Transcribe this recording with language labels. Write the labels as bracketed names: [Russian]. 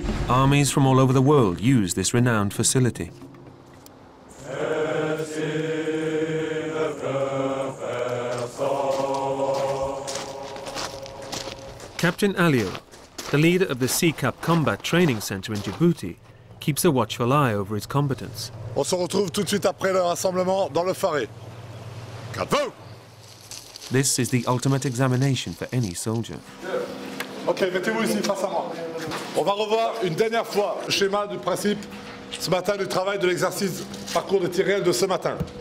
[English] Armies from all over the world use this renowned facility. Captain Alio, the leader of the CCAP combat training center in Djibouti, keeps a watchful eye over its combatants. [French] On se retrouve tout de suite après le rassemblement dans le Faré. Cap vous! [English] This is the ultimate examination for any soldier. [French] Okay, mettez-vous ici face à moi. On va revoir une dernière fois le schéma du principe ce matin du travail de l'exercice parcours de tir réel de ce matin.